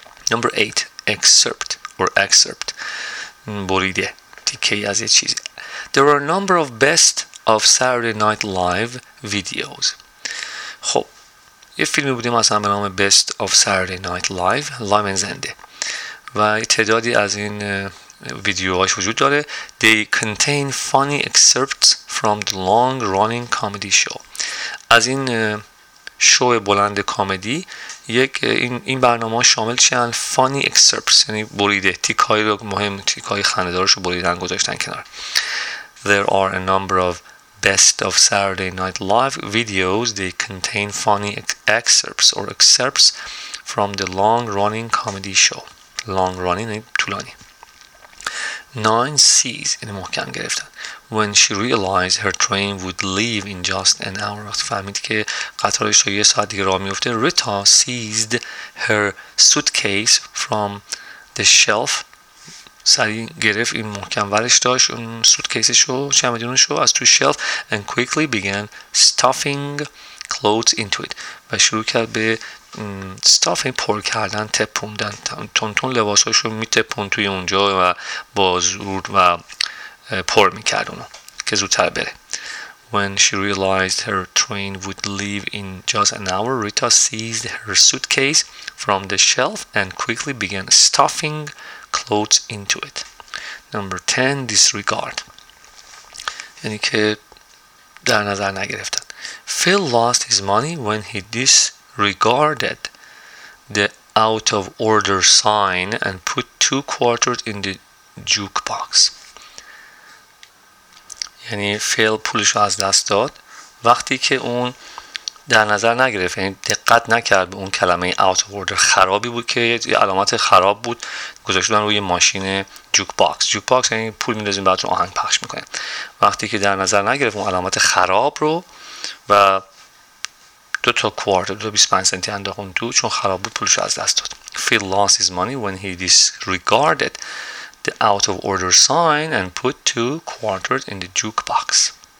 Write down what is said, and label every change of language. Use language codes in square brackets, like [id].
[en] Number 8, excerpt or excerpt. [fa] بریده، تیکه‌ای از یه چیزی. [en] There are a number of best of Saturday Night Live videos. [fa] خب، یه فیلمی بوده مثلا به نام Best of Saturday Night Live، لایو اند زنده. و تعدادی از این ویدیوهاش وجود داره. [en] They contain funny excerpts from the long-running comedy show. [fa] از این شو بلند کمدی، یک این برنامه شامل چند فانی اکسرپس یعنی بریده تیکای رو مهم تیکای خنده‌دارش رو بریدن گذاشتن کنار. [en] There are a number of best of Saturday Night Live videos. They contain funny excerpts or excerpts from the long-running comedy show. [fa] Long-running, طولانی. Nine C's یعنی محکم گرفتن. [en] When she realized her train would leave in just an hour, [fa] فهمید که قطارش رو یه ساعت دیگه راه میفته. [en] Rita seized her suitcase from the shelf. [fa] سریع گرفت این محکم ورش داشت اون سوتکیسش رو چمدونش رو از تو شلف [en] and quickly began stuffing clothes into it [fa] و شروع کرد به stuffing پر کردن تپوندن تون تون لباساش رو می تپون توی اونجا و بازور و پر می کرد اونو که زودتر بره. [en] When she realized her train would leave in just an hour, Rita seized her suitcase from the shelf and quickly began stuffing clothes into it. Number 10, disregard. [fa] یعنی که در نظر نگرفتن. [en] Phil lost his money when he disregarded the out of order sign and put two quarters in the jukebox. [fa] یعنی فیل پولش رو از دست داد وقتی که اون در نظر نگرفت، یعنی دقت نکرد به اون کلمه out of order خرابی بود که یه علامت خراب بود گذاشتن روی ماشین جوکباکس. جوکباکس یعنی پول میدازیم بعد رو آهنگ پخش میکنیم. وقتی که در نظر نگرفت اون علامت خراب رو و دو تا کوارتر دو تا 25 سنتی انداخت اون تو چون خراب بود پولش رو از دست داد. [en] Phil lost his money when he disregarded the out of order sign and put two quarters in the jukebox.